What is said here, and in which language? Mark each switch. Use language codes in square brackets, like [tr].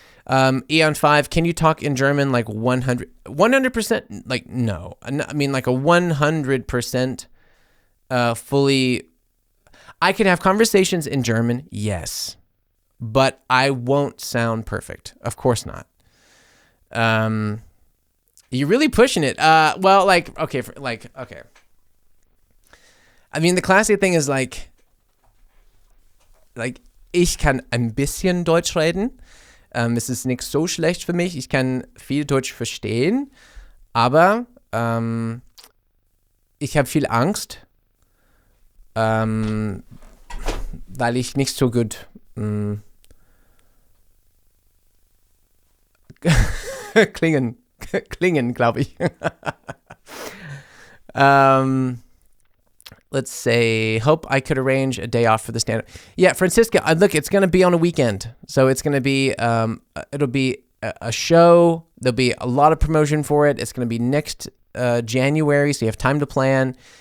[en] Eon 5, can you talk in German like 100%? Like, no. I mean, like a 100% fully. I can have conversations in German, yes. But I won't sound perfect. Of course not. You're really pushing it. I mean, the classy thing is like, [de] ich kann ein bisschen Deutsch reden. Es ist nicht so schlecht für mich. Ich kann viel Deutsch verstehen. Aber ich habe viel Angst, weil ich nicht so gut klingen, glaube ich. [en] let's say, hope I could arrange a day off for the stand-up. Yeah, Francisca, look, it's going to be on a weekend. So it's going to be, it'll be a show. There'll be a lot of promotion for it. It's going to be next January, so you have time to plan.